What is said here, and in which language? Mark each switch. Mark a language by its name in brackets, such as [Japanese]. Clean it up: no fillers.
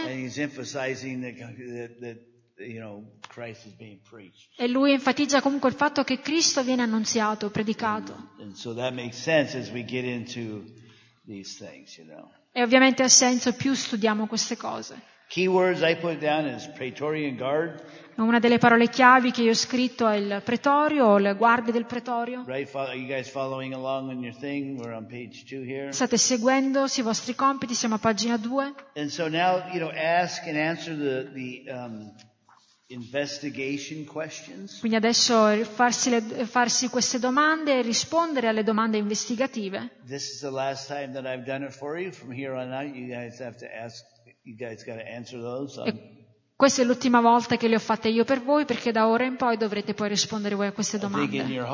[English] and he's emphasizing that, you know, Christ is being preached. [Italian] E lui enfatizza comunque il fatto che Cristo viene annunziato, predicato. E ovviamente ha senso più studiamo queste cose. [English] Keywords I put down is Praetorian Guard. [Italian] Una delle parole chiavi che io ho scritto è il pretorio o le guardie del pretorio. [English] Right, are you guys following along on your thing? We're on page 2 here. [Italian] State seguendo sui vostri compiti, siamo a pagina 2. [English] And so now, you know, ask and answer the investigation questions. [Italian] Quindi adesso farsi queste domande e rispondere alle domande investigative. [English] This is the last time that I've done it for you. From here on out, you guys have to ask. You guys got to answer those. [Italian] Questa è l'ultima volta che le ho fatte io per voi, perché da ora in poi dovrete poi rispondere voi a queste domande.